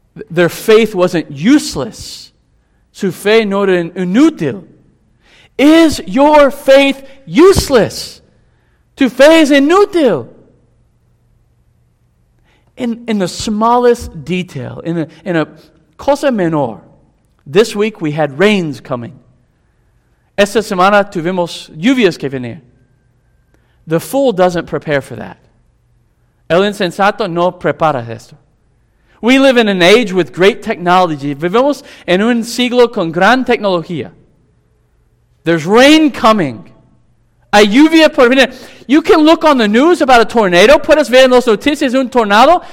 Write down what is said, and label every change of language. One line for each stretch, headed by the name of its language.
English: Their faith wasn't useless.
Spanish: Su fe no era inútil.
English: Is your faith useless?
Spanish: Tu fe es inútil.
English: In the smallest detail, in a
Spanish: cosa menor,
English: this week we had rains coming.
Spanish: Esta semana tuvimos lluvias que venir.
English: The fool doesn't prepare for that.
Spanish: El insensato no prepara esto.
English: We live in an age with great technology.
Spanish: Vivimos en un siglo con gran tecnología.
English: There's rain coming.
Spanish: Hay lluvia por venir.
English: You can look on the news about a tornado.
Spanish: Puedes ver en las noticias un tornado.